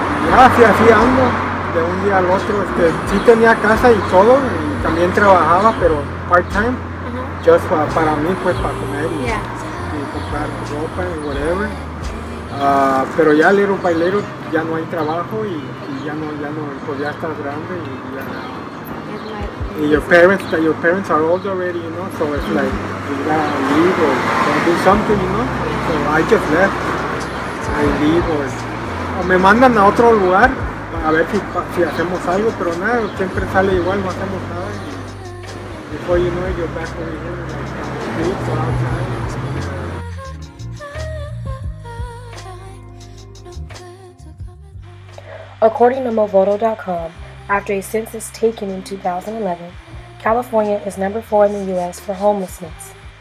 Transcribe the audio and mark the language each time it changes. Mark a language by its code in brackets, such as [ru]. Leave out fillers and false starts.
[es] Ya así ando, de un día al otro. Sí tenía casa y todo, y también trabajaba, pero part-time. Uh-huh. Just para mí, pues para comer y, yeah, y comprar ropa y whatever. Pero ya [en] little by little [es] ya no hay trabajo y ya no, pues ya estás grande y ya. [en] And your parents are old already, you know, so it's like, you gotta leave or do something, you know? So I just left. I leave or... [es] O me mandan a otro lugar, a ver si hacemos algo, pero nada, siempre sale igual, no hacemos nada. [en] Before you know it, you're back over here, like, on the street, so outside. According to Movoto.com, after a census taken in 2011, California is number 4 in the U.S. for homelessness.